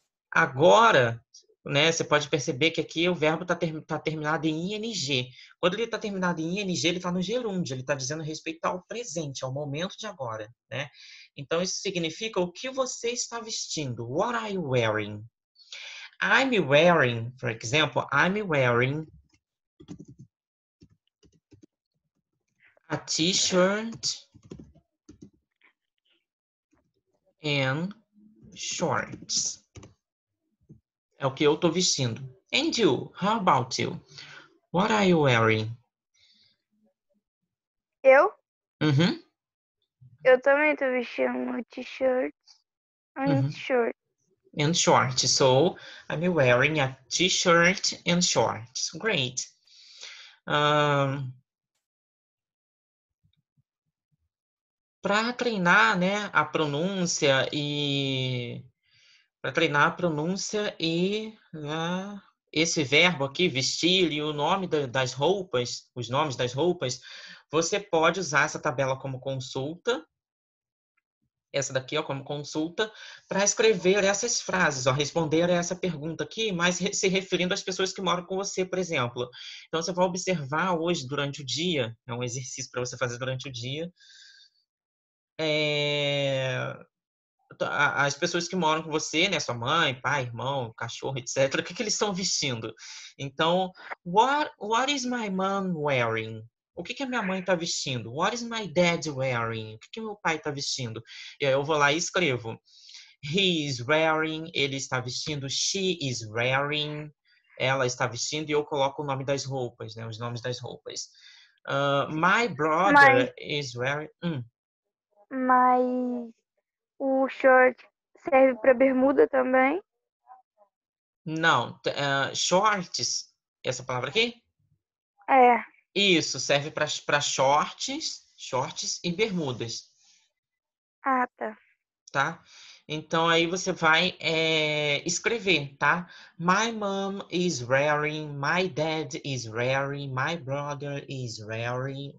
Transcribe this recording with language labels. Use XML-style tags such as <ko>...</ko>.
<pt>Agora, né? Você pode perceber que aqui o verbo tá terminado em ing. Quando ele está terminado em ing, ele está no gerúndio. Ele está dizendo respeito ao presente, ao momento de agora, né? Então, isso significa o que você está vestindo.</pt> <en>What are you wearing? I'm wearing, for example, I'm wearing a t-shirt and shorts.</en> <pt>É o que eu estou vestindo.</pt> <en>And you, how about you? What are you wearing?</en> <pt>Eu? Uhum. Eu também estou vestindo</pt> <en>t-shirt and Uhum. shorts. And shorts. So, I'm wearing a t-shirt and shorts. Great.</en> <pt>Para treinar, né, a pronúncia e para treinar a pronúncia e esse verbo aqui, vestir, e o nome das roupas, os nomes das roupas, você pode usar essa tabela como consulta. Essa daqui, ó, como consulta, para escrever essas frases, ó, responder a essa pergunta aqui, mas se referindo às pessoas que moram com você, por exemplo. Então, você vai observar hoje, durante o dia, é um exercício para você fazer durante o dia, as pessoas que moram com você, né, sua mãe, pai, irmão, cachorro, etc., o que que eles estão vestindo? Então,</pt> <en>what is my mom wearing?</en> <pt>O que que a minha mãe está vestindo?</pt> <en>What is my dad wearing?</en> <pt>O que que meu pai está vestindo? E aí eu vou lá e escrevo.</pt> <en>He is wearing.</en> <pt>Ele está vestindo.</pt> <en>She is wearing.</en> <pt>Ela está vestindo. E eu coloco o nome das roupas, né? Os nomes das roupas.</pt> <en>My brother is wearing.</en> <pt>Mas o short serve para bermuda também? Não. Shorts. Essa palavra aqui? É. Isso, serve para shorts e bermudas. Ah, tá. Tá? Então, aí você vai escrever, tá?</pt> <en>My mom is wearing, my dad is wearing, my brother is wearing.</en>